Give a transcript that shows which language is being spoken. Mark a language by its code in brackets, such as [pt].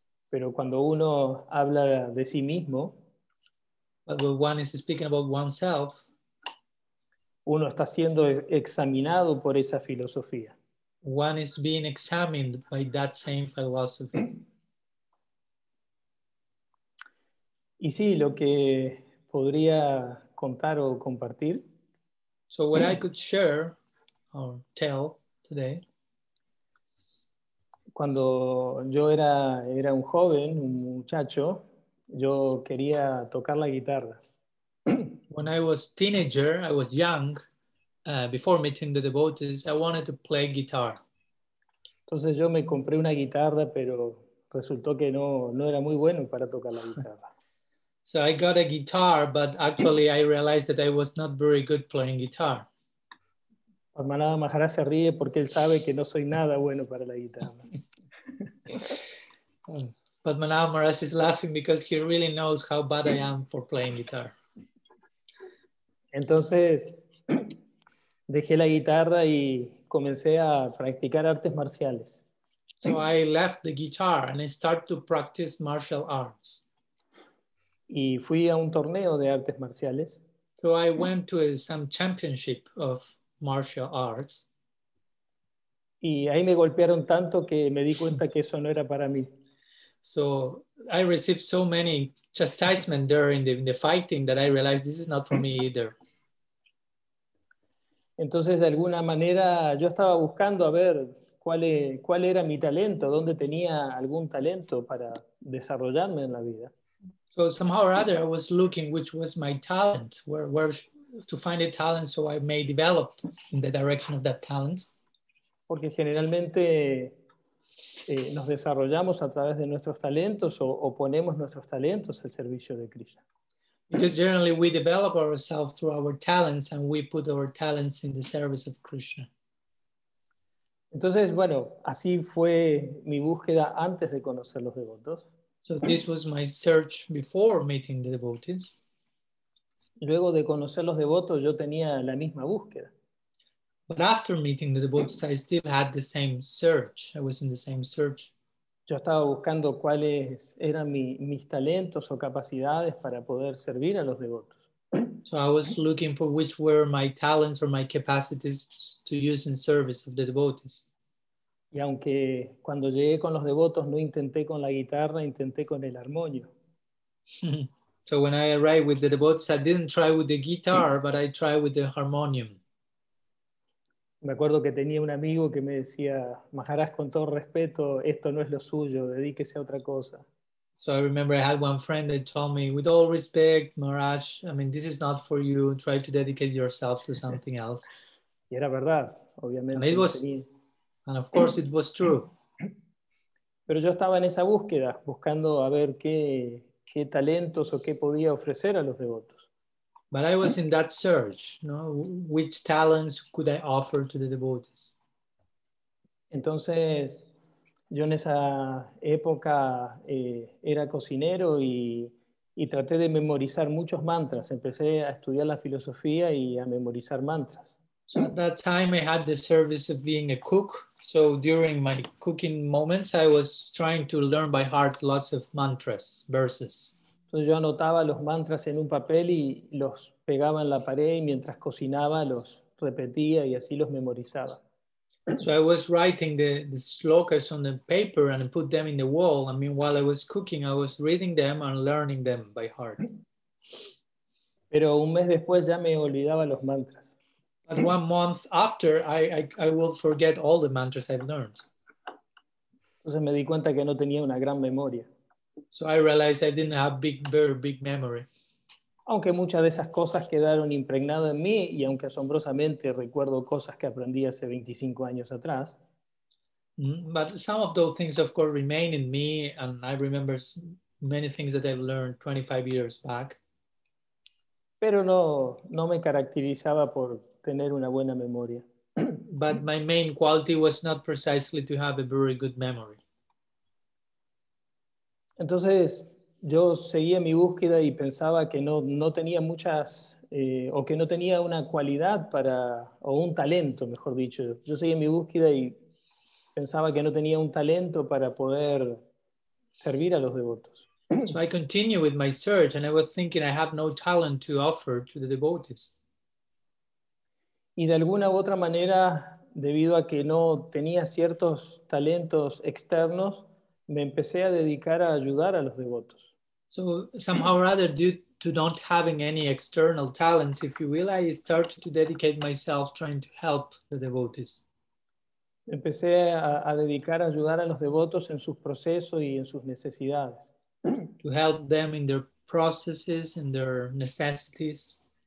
[es] Pero cuando uno habla de sí mismo, [en] but when one is speaking about oneself, [es] uno está siendo examinado por esa filosofía. [en] One is being examined by that same philosophy. [es] Y sí, lo que podría contar o compartir. [en] So what I could share or tell today. [es] Cuando yo era un joven, un muchacho, yo quería tocar la guitarra. [en] When I was a teenager, I was young, before meeting the devotees, I wanted to play guitar. [es] Entonces yo me compré una guitarra, pero resultó que no era muy bueno para tocar la guitarra. [en] So I got a guitar, but actually I realized that I was not very good playing guitar. [es] Padmanabha Maharaj se ríe porque él sabe que no soy nada bueno para la guitarra. [en] Padmanabha Maharaj is laughing because he really knows how bad I am for playing guitar. [es] Entonces dejé la guitarra y comencé a practicar artes marciales. [en] So I left the guitar and I started to practice martial arts. [es] Y fui a un torneo de artes marciales. [en] So I went to some championship of martial arts. [es] Y ahí me golpearon tanto que me di cuenta que eso no era para mí. [en] So I received so many chastisement during the fighting that I realized this is not for me either. [es] Entonces, de alguna manera, yo estaba buscando a ver cuál era mi talento, dónde tenía algún talento para desarrollarme en la vida. [en] So somehow or other, I was looking which was my talent, where to find a talent so I may develop in the direction of that talent. [es] Porque generalmente nos desarrollamos a través de nuestros talentos o ponemos nuestros talentos al servicio de Krishna. [en] Because generally we develop ourselves through our talents and we put our talents in the service of Krishna. [es] Entonces, bueno, así fue mi búsqueda antes de conocer los devotos. [en] So this was my search before meeting the devotees. [es] Luego de conocer los devotos, yo tenía la misma búsqueda. [en] But after meeting the devotees, I still had the same search. I was in the same search. [es] Yo estaba buscando cuáles eran mis talentos o capacidades para poder servir a los devotos. [en] So I was looking for which were my talents or my capacities to use in service of the devotees. [es] Y aunque cuando llegué con los devotos no intenté con la guitarra, intenté con el armonio. [en] So when I arrived with the devotees, I didn't try with the guitar, but I tried with the harmonium. [es] Me acuerdo que tenía un amigo que me decía, Maharaj, con todo respeto, esto no es lo suyo, dedíquese a otra cosa. [en] So I remember I had one friend that told me, with all respect, Maharaj, I mean, this is not for you, try to dedicate yourself to something else. [es] Y era verdad, obviamente. [en] And, and of course it was true. [es] Pero yo estaba en esa búsqueda, buscando a ver qué talentos o qué podía ofrecer a los devotos. [en] But I was in that search, you know, which talents could I offer to the devotees. [es] Entonces, yo en esa época era cocinero y traté de memorizar muchos mantras. Empecé a estudiar la filosofía y a memorizar mantras. [en] So at that time I had the service of being a cook. So during my cooking moments I was trying to learn by heart lots of mantras, verses. [es] Entonces yo anotaba los mantras en un papel y los pegaba en la pared y mientras cocinaba los repetía y así los memorizaba. [en] So I was writing the slokas on the paper and I put them in the wall. I mean, while I was cooking, I was reading them and learning them by heart. [es] Pero un mes después ya me olvidaba los mantras. [en] But one month after, I will forget all the mantras I've learned. [es] Entonces me di cuenta que no tenía una gran memoria. [en] So I realized I didn't have very big memory. [es] Aunque muchas de esas cosas quedaron impregnadas en mí y aunque asombrosamente recuerdo cosas que aprendí hace 25 años atrás. [en] But some of those things of course remain in me and I remember many things that I learned 25 years back. [es] Pero no me caracterizaba por tener una buena memoria. [en] But my main quality was not precisely to have a very good memory. [es] Entonces, yo seguía mi búsqueda y pensaba que no tenía muchas, o que no tenía una cualidad para, o un talento, mejor dicho. Yo seguía mi búsqueda y pensaba que no tenía un talento para poder servir a los devotos. [en] So I continue with my search and I was thinking I have no talent to offer to the devotees. [es] Y de alguna u otra manera, debido a que no tenía ciertos talentos externos, me empecé a dedicar a ayudar a los devotos. [en] So somehow or other, due to not having any external talents, if you will, I started to dedicate myself trying to help the devotees. [es] Empecé a dedicar a ayudar a los devotos en sus procesos y en sus necesidades. [en] To help them in their processes and their necessities.